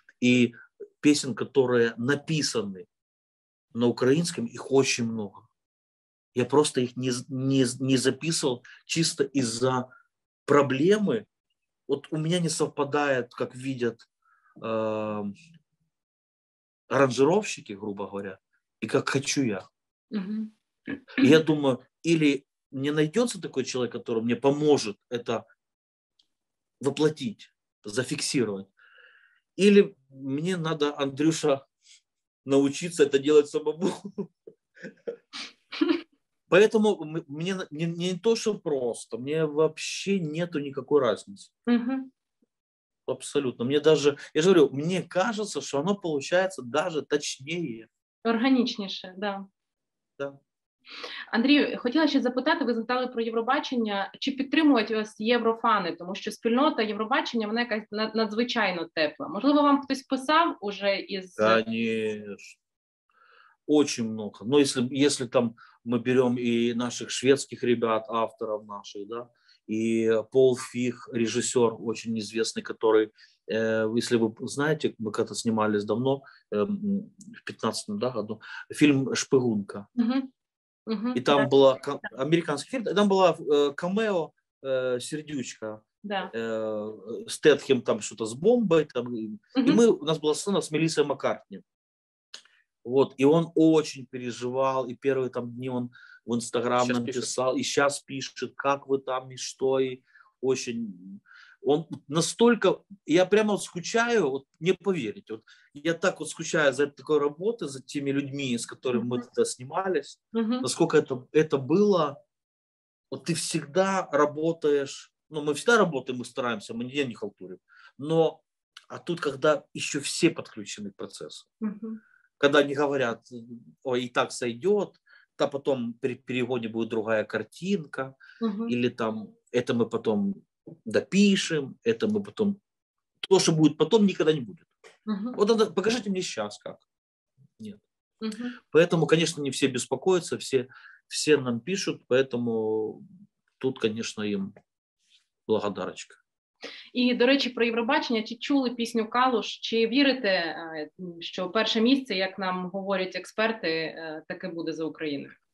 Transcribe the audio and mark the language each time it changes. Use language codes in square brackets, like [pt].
[uk] І пісень, які написані на українському, їх дуже багато. Я просто їх не записував чисто із-за проблеми. От у мене не совпадає, як бачать аранжировщики, грубо говоря, і як хочу я. Угу. [ru] Я думаю, или не найдется такой человек, который мне поможет это воплотить, зафиксировать. Или мне надо, Андрюша, научиться это делать самому. Поэтому мне не то, что просто, мне вообще нету никакой разницы. Абсолютно. Мне даже, я же говорю, мне кажется, что оно получается даже точнее. Органичнейше, да. Да. [uk] Андрію, хотіла ще запитати, ви згадали про Євробачення, чи підтримують вас єврофани, тому що спільнота Євробачення, вона якась надзвичайно тепла. Можливо, вам хтось писав уже із... [ru] Конечно. Очень много. Ну, если там [uk] ми беремо і наших шведських ребят, авторів наших, [ru] да, і Пол Фіх, режисер, очень известный, который, если вы знаете, мы когда-то снимались давно, в 15-м, да, году, фильм «Шпигунка». Угу, [uk] і там, да, була американський фільм, там була камео сердючка, да, Стетхем там щось з бомбою, там, угу. І ми, у нас була сцена з Мелісою Маккартні. Вот, і він дуже переживав, і перші там дні він в Інстаграм нам писав, і зараз пише, як ви там, і що, і дуже... [ru] Он настолько, я прямо скучаю, вот не поверите, вот я так вот скучаю за такой работы, за теми людьми, с которыми мы тогда снимались, насколько это было, вот ты всегда работаешь, ну мы всегда работаем, мы стараемся, мы нигде не халтурим, но, а тут когда еще все подключены к процессу, когда они говорят, ой, и так сойдет, то потом при переводе будет другая картинка, или там, это мы потом допишем, это мы потом... То, что будет потом, никогда не будет. Вот надо... Покажите мне сейчас, как. Нет. Поэтому, конечно, не все беспокоятся, все нам пишут, поэтому тут, конечно, им благодарочка. [uk] И, до речи, про Евробачення. Чи чули пісню «Калуш»? Чи вірите, що перше місце, як нам говорять експерти, таке буде за Україну?